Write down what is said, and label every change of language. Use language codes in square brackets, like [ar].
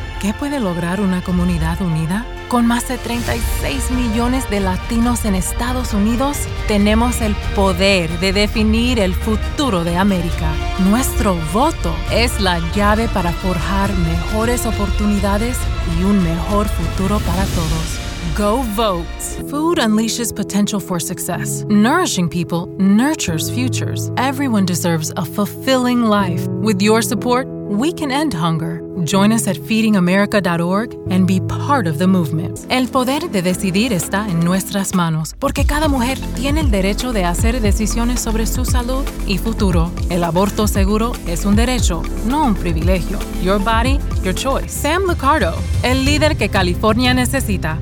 [es] qué puede lograr una comunidad unida? Con más de 36 millones de latinos en Estados Unidos, tenemos el poder de definir el futuro de América. Nuestro voto es la llave para forjar mejores oportunidades y un mejor futuro para todos. [en] Go vote. Food unleashes potential for success. Nourishing people nurtures futures. Everyone deserves a fulfilling life. With your support, we can end hunger. Join us at feedingamerica.org and be part of the movement. [es] El poder de decidir está en nuestras manos, porque cada mujer tiene el derecho de hacer decisiones sobre su salud y futuro. El aborto seguro es un derecho, no un privilegio. [en] Your body, your choice. [es] Sam Liccardo, el líder que California necesita.